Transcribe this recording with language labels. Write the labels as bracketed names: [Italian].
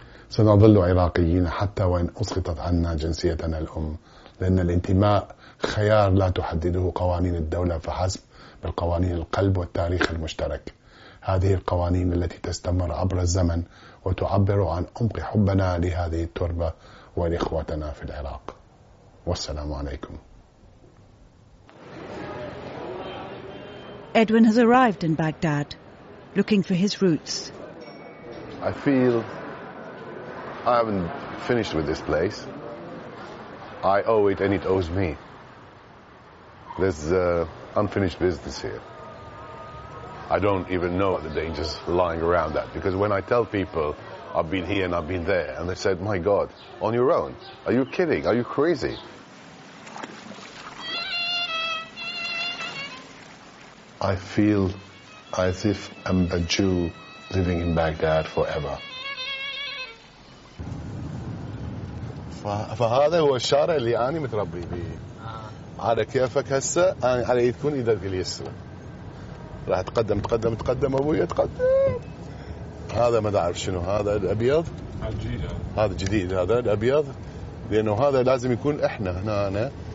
[Arabic] سنظل عراقيين حتى وإن أسقطت عنا جنسيتنا الأم، لأن الانتماء خيار لا تحدده قوانين الدولة فحسب، بل قوانين القلب والتاريخ المشترك. هذه القوانين التي تستمر عبر الزمن وتعبر عن عمق حبنا لهذه التربة ولإخوتنا في العراق. والسلام عليكم. [English] Edwin has arrived in Baghdad, looking for his roots. I feel I haven't finished with this place. I owe it and it owes me. There's unfinished business here. I don't even know what the dangers lying around that, because when I tell people I've been here and I've been there, and they said, my God, on your own? Are you kidding? Are you crazy? I feel as if I'm a Jew living in Baghdad forever. [Arabic] فهذا هو الشارع اللي أنا متربي به. على كيفك هسه أنا على يكون إذا في اليسرى. راح تقدم تقدم تقدم أبوي تقدم. هذا ما أعرف شنو هذا الأبيض. هذا جديد هذا الأبيض، لأنه هذا لازم يكون إحنا هنا أنا.